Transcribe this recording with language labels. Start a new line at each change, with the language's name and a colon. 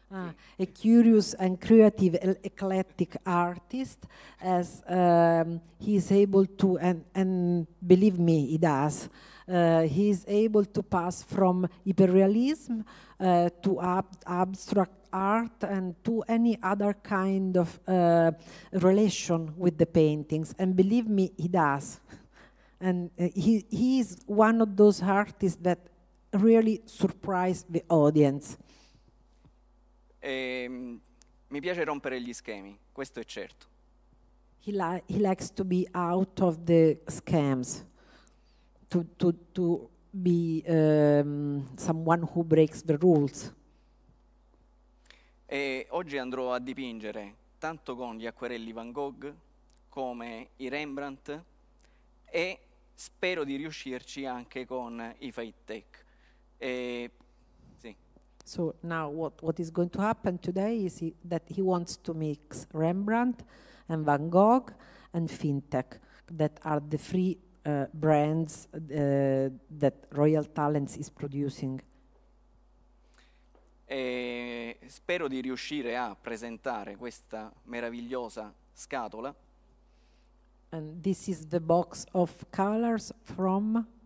English: A curious and creative eclectic artist, as he is able to, and believe me, he does, he is able to pass from hyperrealism to abstract art and to any other kind of relation with the paintings. And believe me, he does. And he is one of those artists that really surprised the audience.
Italian: Mi piace rompere gli schemi, questo è certo.
English: He likes to be out of the schemes, to be someone who breaks the rules.
Italian: E oggi andrò a dipingere tanto con gli acquerelli Van Gogh come i Rembrandt e spero di riuscirci anche con i Faitec.
English: So now what is going to happen today is that he wants to mix Rembrandt and Van Gogh and FinTech, that are the three brands that Royal Talents is producing.
Italian: E spero di riuscire a presentare questa meravigliosa scatola.
English: And this is the box of colors from?